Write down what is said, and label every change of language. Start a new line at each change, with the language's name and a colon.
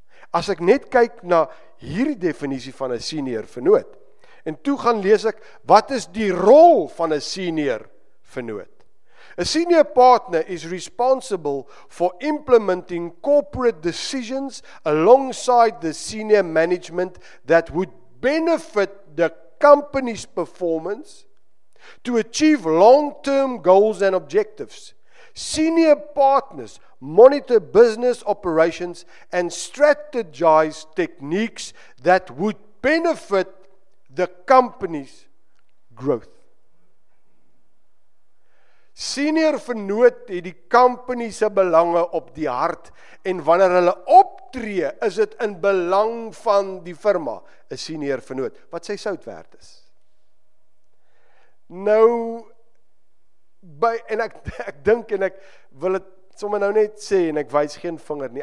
Afrikaans: As ek net kyk na hierdie definisie van 'n senior Vennoot, en toe gaan lees ek, wat is die rol van 'n senior Vennoot?
English: A senior partner is responsible for implementing corporate decisions alongside the senior management that would benefit the company's performance to achieve long-term goals and objectives. Senior partners monitor business operations and strategize techniques that would benefit the company's growth.
Afrikaans: Senior Vennoot het die company se belange op die hart en wanneer hulle optree, is dit in belang van die firma, 'n senior Vennoot, wat sy sout werd is. Nou, ek wil het sommer nou net sê en ek wys geen vinger nie.